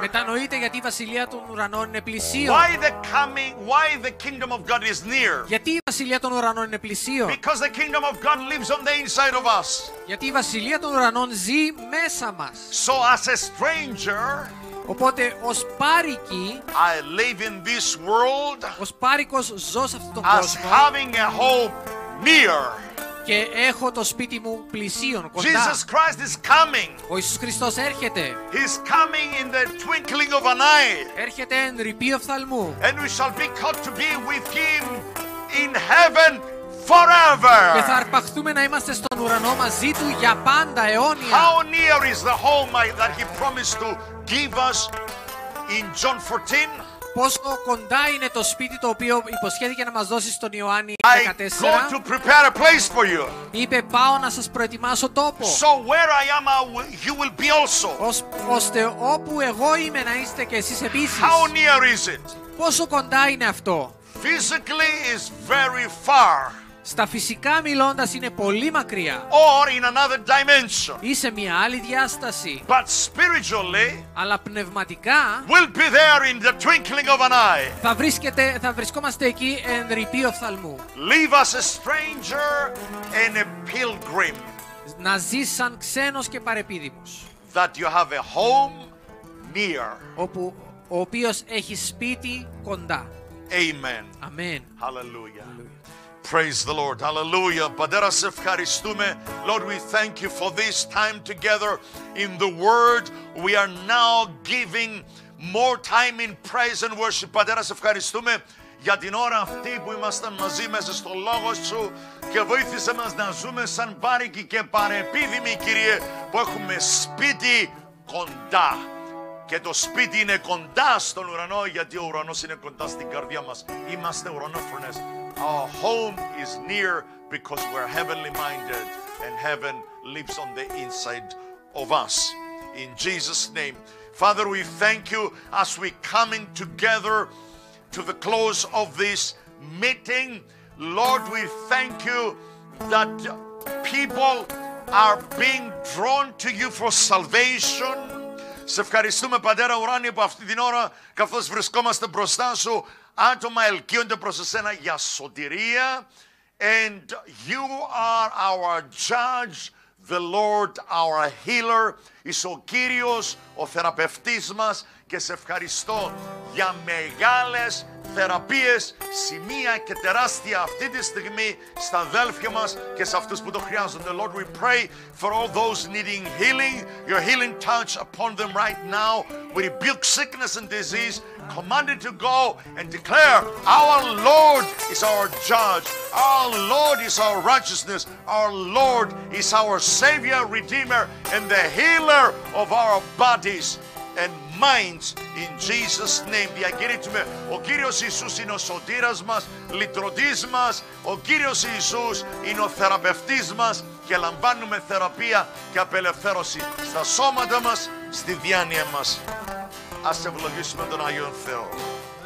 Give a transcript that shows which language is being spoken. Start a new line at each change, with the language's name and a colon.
Greek: Μετανοείτε, γιατί η βασιλεία των ουρανών είναι πλησίον.
English: Why the kingdom of God is near?
Greek: Γιατί η βασιλεία των ουρανών είναι πλησίον.
English: Because the kingdom of God lives on the inside of us.
Greek: Γιατί η βασιλεία των ουρανών ζει μέσα μας.
English: So as a stranger,
Greek: Οπότε ως πάρικη,
English: I live in this world,
Greek: ως πάρικος ζω σε αυτόν τον
English: κόσμο, as having a home near.
Greek: Και έχω το σπίτι μου πλησίον, κοντά.
English: Jesus Christ is coming.
Greek: Ο Ιησούς Χριστός έρχεται.
English: He's coming in the twinkling of an eye.
Greek: Έρχεται εν ρηπή οφθαλμού.
English: And we shall be caught to be with him in heaven forever.
Greek: Και θα αρπαχθούμε να είμαστε στον ουρανό μαζί του για πάντα αιώνια.
English: How near is the home that he promised to give us in John 14?
Greek: Πόσο κοντά είναι το σπίτι το οποίο υποσχέθηκε να μας δώσει στον Ιωάννη 14.
English: I go to prepare a place for you.
Greek: Είπε πάω να σας προετοιμάσω τόπο.
English: So where I am, you will be also.
Greek: Ώστε όπου εγώ είμαι να είστε και εσείς επίσης.
English: How near is it?
Greek: Πόσο κοντά είναι αυτό?
English: Physically is very far.
Greek: Στα φυσικά μιλώντας είναι πολύ μακριά.
English: Or in another dimension.
Greek: Ή σε μια άλλη διάσταση.
English: But spiritually,
Greek: αλλά πνευματικά,
English: we'll be there in the twinkling of an eye.
Greek: Θα βρισκόμαστε εκεί εν ρηπή οφθαλμού.
English: Leave us a stranger and a pilgrim.
Greek: Να ζεις σαν ξένος και παρεπίδημος.
English: That you have a home near.
Greek: Όπου ο οποίος έχει σπίτι κοντά.
English: Amen. Amen. Hallelujah. Hallelujah. Praise the Lord. Hallelujah.
Greek: Πατέρα, σε ευχαριστούμε.
English: Lord, we thank you for this time together in the Word. We are now giving more time in praise and worship.
Greek: Πατέρα, σε ευχαριστούμε για την ώρα αυτή που είμαστε μαζί μέσα στο Λόγο Σου και βοήθησε μας να ζούμε σαν πάρικοι και παρεπίδημοι, Κύριε, που έχουμε σπίτι κοντά. Και το σπίτι είναι κοντά στον ουρανό, γιατί ο ουρανός είναι κοντά στην καρδιά μας. Είμαστε ουρανόφρονες.
English: Our home is near because we're heavenly minded and heaven lives on the inside of us. In Jesus' name. Father, we thank you as we come in together to the close of this meeting. Lord, we thank you that people are being drawn to you for salvation.
Greek: Σε ευχαριστούμε, Πατέρα Ουράνιε, που αυτή την ώρα, καθώς βρισκόμαστε μπροστά σου, άτομα ελκύονται προς εσένα για σωτηρία.
English: And you are our judge, the Lord, our healer.
Greek: Είσαι ο Κύριος, ο θεραπευτής μας και σε ευχαριστώ για μεγάλες θεραπείες, σημεία και τεράστια αυτή τη στιγμή στα αδέλφια μας και σε αυτούς που το χρειάζονται.
English: Lord, we pray for all those needing healing, your healing touch upon them right now. We rebuke sickness and disease, command it to go and declare, our Lord is our judge, our Lord is our righteousness, our Lord is our Savior, Redeemer, and the healer of our bodies and minds, in Jesus' name.
Greek: Διακηρύττουμε, ο Κύριος Ιησούς είναι ο σωτήρας μας, λυτρωτής μας, ο Κύριος Ιησούς είναι ο θεραπευτής μας και λαμβάνουμε θεραπεία και απελευθέρωση στα σώματα μας, στη διάνοια μας. Ας ευλογήσουμε τον Άγιο Θεό.